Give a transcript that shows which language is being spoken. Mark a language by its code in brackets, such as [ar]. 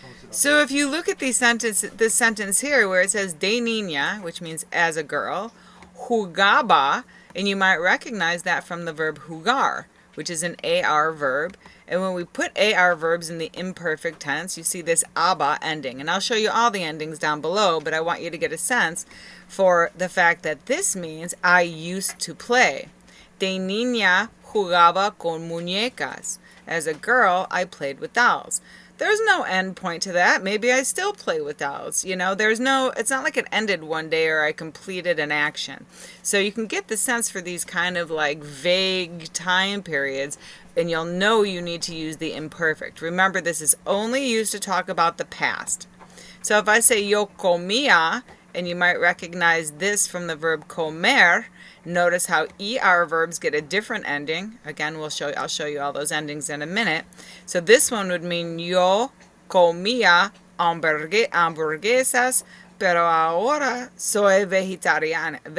[en] So if you look at this sentence here where it says de niña, which means as a girl, jugaba, and you might recognize that from the verb jugar, which is an AR verb. And when we put AR verbs in the imperfect tense, you see this aba ending. And I'll show you all the endings down below, but I want you to get a sense for the fact that this means I used to play. [es] De niña jugaba con muñecas. [en] As a girl, I played with dolls. There's no end point to that. Maybe I still play with dolls. You know, it's not like it ended one day or I completed an action. So you can get the sense for these kind of like vague time periods, and you'll know you need to use the imperfect. Remember, this is only used to talk about the past. So if I say yo comía, and you might recognize this from the verb comer, notice how ER verbs get a different ending. Again, I'll show you all those endings in a minute. So this one would mean [es] yo comía hamburguesas, pero ahora soy vegetariana.